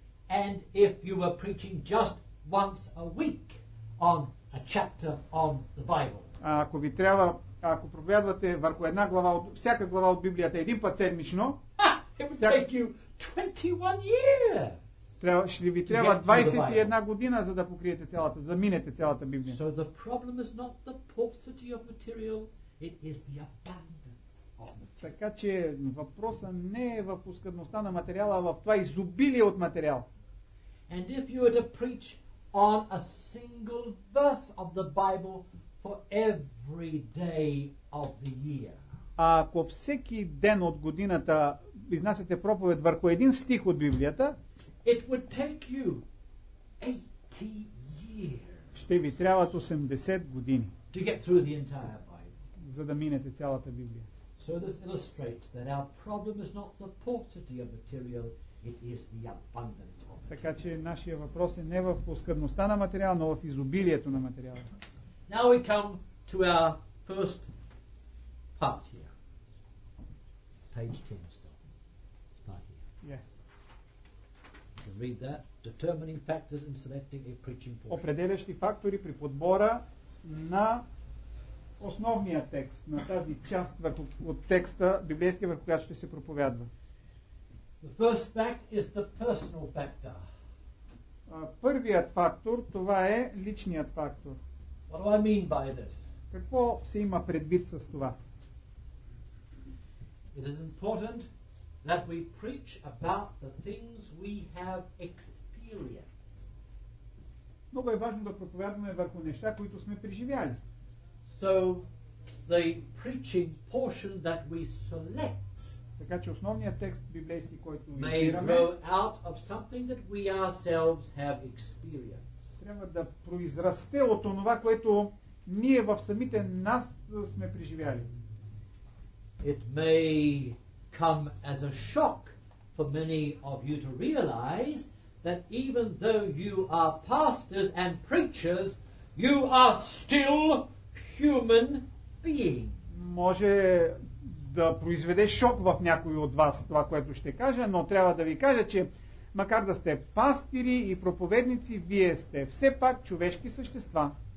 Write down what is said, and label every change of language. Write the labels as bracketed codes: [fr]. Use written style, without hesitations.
[en] And if you were preaching just once a week on a chapter on the Bible. [bg] Ако ви трябва, ако проповядвате върху една глава от всяка глава от Библията един път седмично, [en] it would take you 21 years. [bg] Ще ви трябва 21 година, за да покриете цялата, за минете цялата Библия. [en] So the problem is not the paucity of material, it is the abundance of material. [bg] Така че въпроса не е в оскъдността на материала, а в това изобилие от материал. [en] And if you were to preach on a single verse of the Bible for every day of the year. [bg] А ако всеки ден от годината изнасяте проповед върху един стих от Библията, [en] it would take you 80 years. [bg] Ще ви трябват 80 години. [en] To get through the entire Bible. [bg] За да минете цялата Библия. [en] So this illustrates that our problem is not the paucity of material, it is the abundance of material. [bg] Така че нашия въпрос е не в оскъдността на материала, но в изобилието на материала. [en] Now we come to our first part here. It's page 10 still. It's by here. Yes. You can read that. Determining factors in selecting a preaching portion. [bg] Определящи фактори при подбора на основния текст, на тази част върху, от текста библейския, върху която ще се проповядва. [en] The first fact is the personal factor. [bg] Първият фактор, това е личният фактор. [en] What do I mean by this? [bg] Какво се има предвид с това? [en] It is important that we preach about the things we have experienced. [bg] Много е важно да проповядваме върху неща, които сме преживяли. [en] So the preaching portion that we select. [bg] Така че основният текст библейски, който избираме, [en] out of something that we ourselves have experienced. [bg] Трябва да произрасте от онова, което ние в самите нас сме преживяли. [en] It may come as a shock for many of you to realize that even though you are pastors and preachers, you are still human being. [bg] Може да произведе шок в някой от вас това, което ще кажа, но трябва да ви кажа, че макар да сте пастири и проповедници, вие сте все пак човешки същества.